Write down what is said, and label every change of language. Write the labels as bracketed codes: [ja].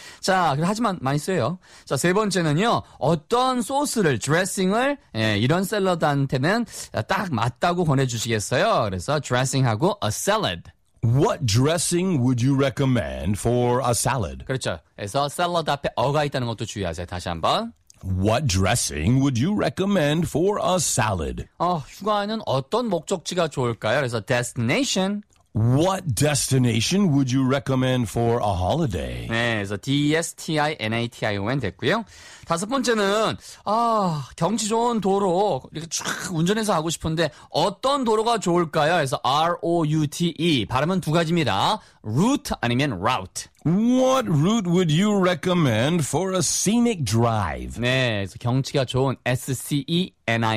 [ko] 자, 하지만 많이 써요. 자, 세 번째는요. 어떤 소스를, 드레싱을 예, 이런 샐러드한테는 딱 맞다고 권해주시겠어요? 그래서 드레싱하고 [en] a salad. What dressing would you recommend for a salad? [ko] 그렇죠. 그래서 샐러드 앞에 어가 있다는 것도 주의하세요. 다시 한번. [en] What dressing would you recommend for a salad? [ko] 휴가에는 어떤 목적지가 좋을까요? 그래서 destination. [en] What destination would you recommend for a holiday? [ko] 네, 그래서 D-E-S-T-I-N-A-T-I-O-N 됐고요. 다섯 번째는 경치 좋은 도로 이렇게 쭉 운전해서 가고 싶은데 어떤 도로가 좋을까요? 그래서 R-O-U-T-E 발음은 두 가지입니다. [en] Route 아니면 Route. What route would you recommend for a scenic drive? [ko] 네, 그래서 경치가 좋은 S-C-E-N-I-C까지요.